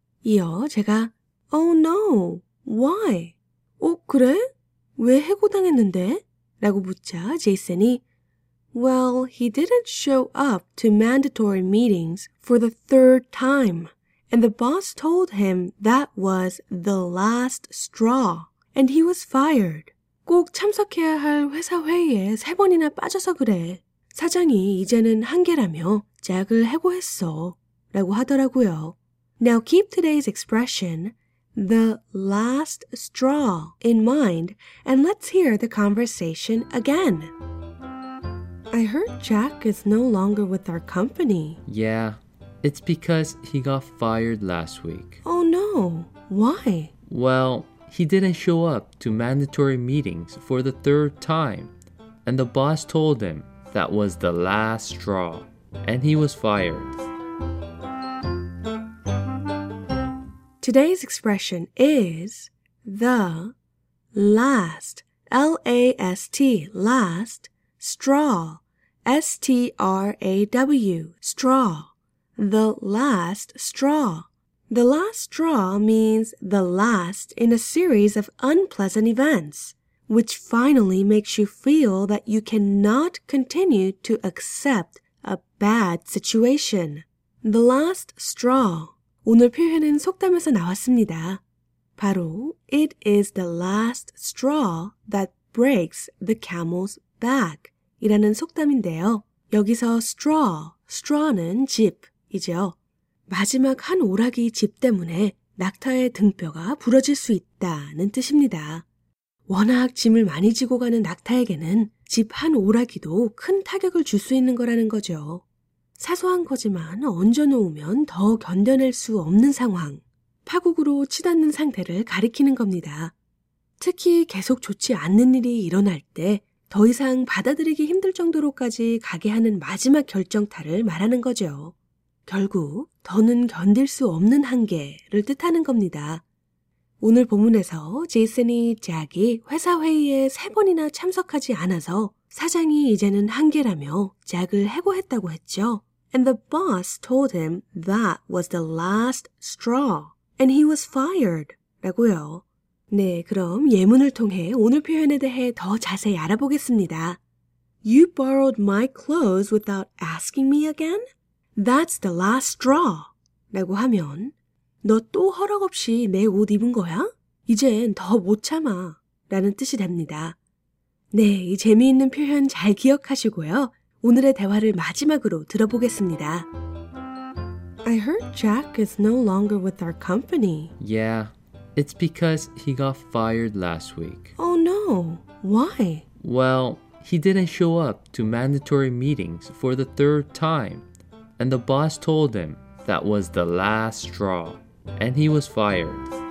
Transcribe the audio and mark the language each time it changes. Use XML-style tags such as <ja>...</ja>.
<ko>이어 제가</ko> <en>Oh no, why?</en> <ko>어, 그래? 왜 해고당했는데? 라고 묻자 제이슨이</ko> <en>Well, he didn't show up to mandatory meetings for the third time and the boss told him that was the last straw. And he was fired.</en> <ko>꼭 참석해야 할 회사 회의에 세 번이나 빠져서 그래. 사장이 이제는 한계라며 잭을 해고했어. 라고 하더라고요.</ko> <en>Now keep today's expression, the last straw, in mind, and let's hear the conversation again. I heard Jack is no longer with our company. Yeah, it's because he got fired last week. Oh no, why? Well, he didn't show up to mandatory meetings for the third time, and the boss told him that was the last straw, and he was fired. Today's expression is the last, L-A-S-T, last, straw, S-T-R-A-W, straw, the last straw. The last straw means the last in a series of unpleasant events, which finally makes you feel that you cannot continue to accept a bad situation. The last straw.</en> <ko>오늘 표현은 속담에서 나왔습니다. 바로,</ko> <en>it is the last straw that breaks the camel's back.</en> <ko>이라는 속담인데요. 여기서 straw, straw는 집이죠. 마지막 한 오락이 집 때문에 낙타의 등뼈가 부러질 수 있다는 뜻입니다. 워낙 짐을 많이 지고 가는 낙타에게는 집 한 오락이도 큰 타격을 줄 수 있는 거라는 거죠. 사소한 거지만 얹어놓으면 더 견뎌낼 수 없는 상황, 파국으로 치닫는 상태를 가리키는 겁니다. 특히 계속 좋지 않는 일이 일어날 때 더 이상 받아들이기 힘들 정도로까지 가게 하는 마지막 결정타를 말하는 거죠. 결국 더는 견딜 수 없는 한계를 뜻하는 겁니다. 오늘 본문에서 제이슨이 잭이 회사 회의에 세 번이나 참석하지 않아서 사장이 이제는 한계라며 잭을 해고했다고 했죠.</ko> <en>And the boss told him that was the last straw and he was fired</en> <ko>라고요. 네, 그럼 예문을 통해 오늘 표현에 대해 더 자세히 알아보겠습니다.</ko> <en>You borrowed my clothes without asking me again? That's the last straw.</en> <ko>라고 하면 너 또 허락 없이 내 옷 입은 거야? 이젠 더 못 참아. 라는 뜻이 됩니다. 네, 이 재미있는 표현 잘 기억하시고요. 오늘의 대화를 마지막으로 들어보겠습니다.</ko> <en>I heard Jack is no longer with our company. Yeah, it's because he got fired last week. Oh no, why? Well, he didn't show up to mandatory meetings for the third time. And the boss told him that was the last straw, and he was fired.</en>